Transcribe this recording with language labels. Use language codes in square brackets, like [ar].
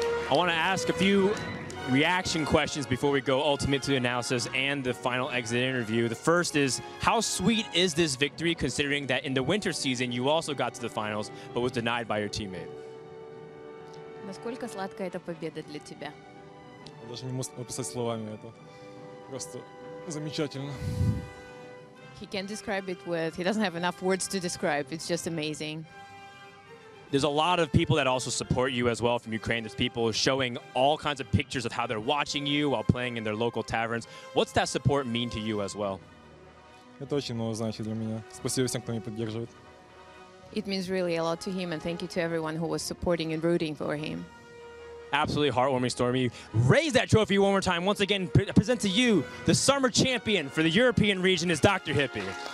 [en] I want to ask a few reaction questions before we go ultimate to the analysis and the final exit interview. The first is, how sweet is this victory considering that in the winter season you also got to the finals but was denied by your teammate? [ru] Насколько сладка эта победа для тебя? Я даже не могу описать словами это. Просто замечательно. [en] He can't describe it with, he doesn't have enough words to describe. It's just amazing. There's a lot of people that also support you as well from Ukraine. There's people showing all kinds of pictures of how they're watching you while playing in their local taverns. What's that support mean to you as well? [ru] Это очень много значит для меня. Спасибо всем, кто меня поддерживает. [en] It means really a lot to him, and thank you to everyone who was supporting and rooting for him. Absolutely heartwarming, Stormy. Raise that trophy one more time. Once again, present to you the summer champion for the European region is DrHippi.